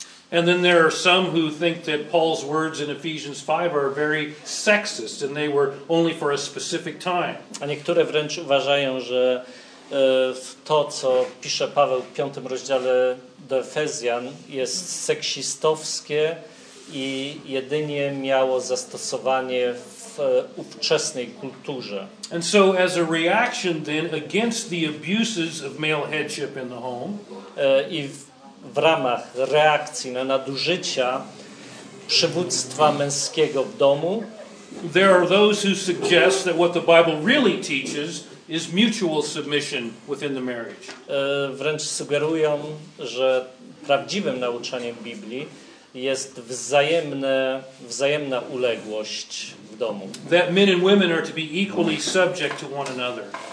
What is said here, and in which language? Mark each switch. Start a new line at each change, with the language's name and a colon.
English: And then there are some who think that Paul's words in Ephesians 5 are very sexist and they were only for a specific time.
Polish: A niektóre wręcz uważają, że to, co pisze Paweł w 5 rozdziale do Efezjan, jest seksistowskie i jedynie miało zastosowanie w ówczesnej kulturze.
English: And so as a reaction then against the abuses of male headship in the home,
Polish: i w ramach reakcji na nadużycia przywództwa męskiego w domu,
English: there are those who suggest that what the Bible really teaches is mutual submission within the marriage.
Polish: Wręcz sugerują, że prawdziwym nauczaniem Biblii jest wzajemna uległość w domu.
English: That men and women are to be equally subject to one another.